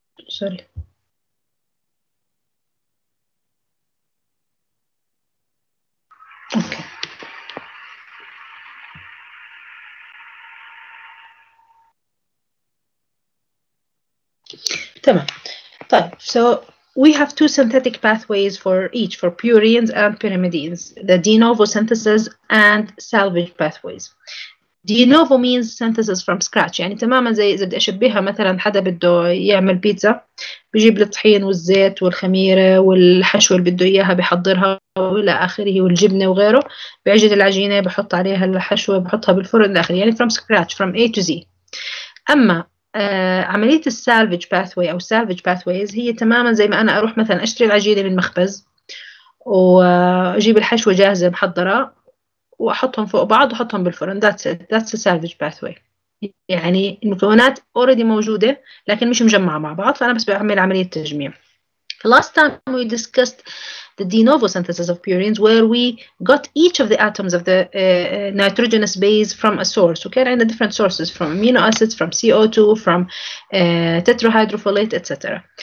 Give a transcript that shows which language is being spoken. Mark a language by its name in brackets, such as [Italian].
[Arabic] سوري، اوكي تمام. [English] طيب، so we have two synthetic pathways for each, for purines and pyrimidines, the de novo synthesis and salvage pathways. De novo means synthesis from scratch، [Arabic] يعني تماما زي إذا بدي أشبهها مثلا حدا بده يعمل بيتزا، بيجيب الطحين والزيت والخميرة والحشوة اللي بده إياها بيحضرها وإلى آخره والجبنة وغيره، بيعجن العجينة بحط عليها الحشوة بحطها بالفرن إلى آخره، يعني [English] from scratch from A to Z. [Arabic] أما عملية السالفج باثوي أو سالفج باثويز هي تماما زي ما أنا أروح مثلا أشتري العجينة من مخبز وأجيب الحشوة جاهزة محضرة واحطهم فوق بعض واحطهم بالفرن. [English] That's a salvage pathway. [Arabic] يعني المكونات [English] already [Arabic] موجودة لكن مش مجمعة مع بعض، فأنا بس بعمل عملية تجميع. [English] The last time we discussed the de novo synthesis of purines where we got each of the atoms of the nitrogenous base from a source. [Arabic] وكان عندنا [English] different sources from amino acids, from CO2, from tetrahydrofolate, etc.